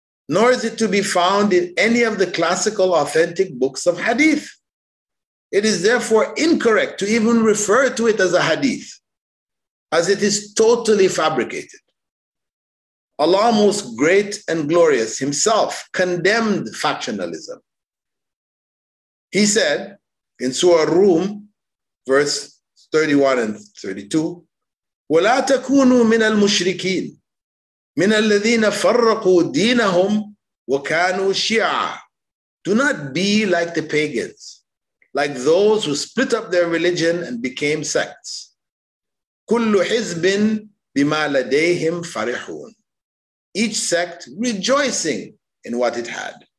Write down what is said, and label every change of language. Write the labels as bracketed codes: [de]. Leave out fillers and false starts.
[en] Nor is it to be found in any of the classical authentic books of hadith. It is therefore incorrect to even refer to it as a hadith, as it is totally fabricated. Allah Most Great and Glorious Himself condemned factionalism. He said in Surah Rum, verse 31 and 32, [ar] وَلَا تَكُونُوا مِنَ الْمُشْرِكِينَ مِنَ الَّذِينَ فَرَّقُوا دِينَهُمْ وَكَانُوا شِيَعًا. [en] Do not be like the pagans, like those who split up their religion and became sects. [ar] كُلُّ حِزْبٍ بِمَا لَدَيْهِمْ فَرِحُونَ. [en] Each sect rejoicing in what it had.